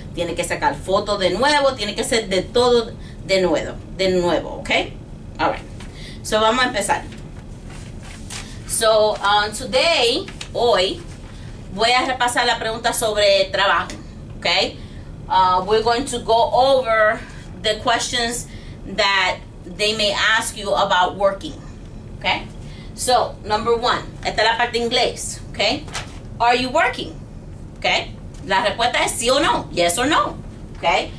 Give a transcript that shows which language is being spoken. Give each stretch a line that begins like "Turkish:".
Spanish: Tiene que sacar fotos de nuevo, tiene que ser de todo de nuevo, ¿ok? All right. So, vamos a empezar. So, hoy, voy a repasar la pregunta sobre trabajo, okay?
English: We're going to go over the questions that they may ask you about working, okay? So, number one,
Spanish: esta es la parte inglés,
English: okay? Are you working, okay?
Spanish: La respuesta es sí o no,
English: yes or no,
Spanish: okay?